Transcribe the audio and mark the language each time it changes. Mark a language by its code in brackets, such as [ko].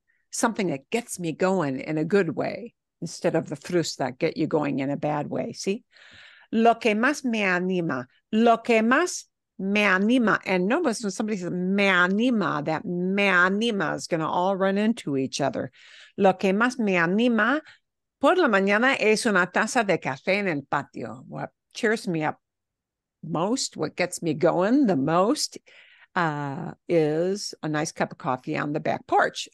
[en] Something that gets me going in a good way instead of the frustra that get you going in a bad way. See? [es] Lo que más me anima. Lo que más me anima. [en] And notice when somebody says [es] me anima, [en] that me anima is going to all run into each other. [es] Lo que más me anima por la mañana es una taza de café en el patio. [en] What cheers me up most, what gets me going the most is a nice cup of coffee on the back porch.